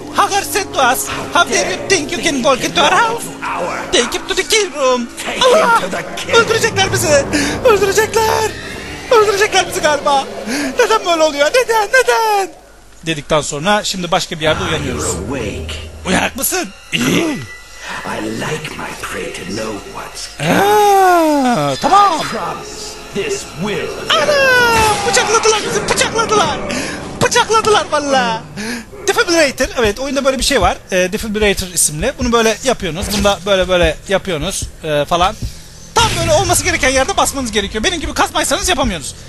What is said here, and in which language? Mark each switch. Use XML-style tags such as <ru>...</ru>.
<en>Hagar said to us, how dare you think you can walk into our house? Take him to the kill room.</en> <tr>Allah! Öldürecekler bizi. Öldürecekler. Öldürecekler bizi galiba. Neden böyle oluyor? Neden? Neden? Dedikten sonra şimdi başka bir yerde uyanıyoruz. Uyanık mısın? İyi.</tr> <en>I like my prey to know what's coming.</en> <tr>Tamam.</tr> <en>This will.</en> <tr>Anam! Bıçakladılar bizi, bıçakladılar. Bıçakladılar vallahi. Defibrillator. Evet, oyunda böyle bir şey var. Defibrillator isimli. Bunu böyle yapıyorsunuz. Bunu da böyle böyle yapıyorsunuz falan. Tam böyle olması gereken yerde basmanız gerekiyor. Benim gibi kasmaysanız yapamıyorsunuz.</tr>